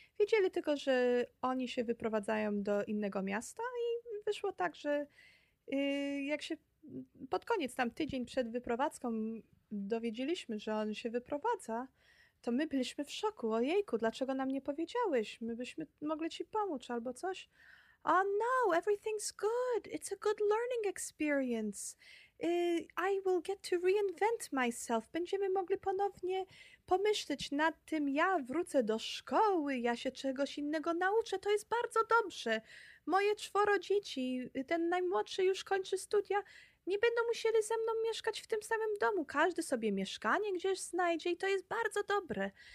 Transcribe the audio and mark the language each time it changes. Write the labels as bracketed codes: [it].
[pl] Wiedzieli tylko, że oni się wyprowadzają do innego miasta i wyszło tak, że jak się pod koniec, tam tydzień przed wyprowadzką dowiedzieliśmy, że on się wyprowadza, to my byliśmy w szoku. Ojejku, dlaczego nam nie powiedziałeś? My byśmy mogli ci pomóc albo coś. [en] Oh no, everything's good. It's a good learning experience. I will get to reinvent myself. [pl] Będziemy mogli ponownie pomyśleć nad tym, ja wrócę do szkoły, ja się czegoś innego nauczę. To jest bardzo dobrze. Moje czworo dzieci, ten najmłodszy już kończy studia, nie będą musieli ze mną mieszkać w tym samym domu. Każdy sobie mieszkanie gdzieś znajdzie i to jest bardzo dobre.